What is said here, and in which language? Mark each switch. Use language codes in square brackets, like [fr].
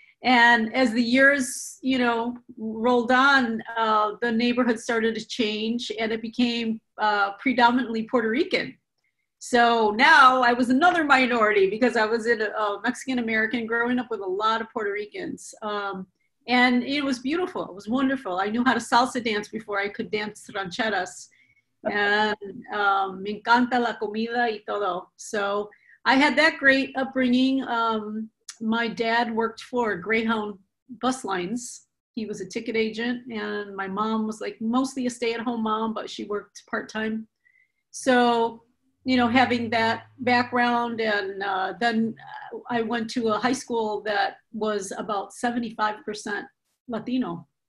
[en] And as the years, you know, rolled on, the neighborhood started to change and it became predominantly Puerto Rican. So now I was another minority because I was in a Mexican-American growing up with a lot of Puerto Ricans. And it was beautiful. It was wonderful. I knew how to salsa dance before I could dance rancheras. [es] And me encanta la comida y todo. [en] So I had that great upbringing. My dad worked for Greyhound bus lines. He was a ticket agent, and my mom was like mostly a stay-at-home mom, but she worked part-time. So, you know, having that background, and then I went to a high school that was about 75% Latino.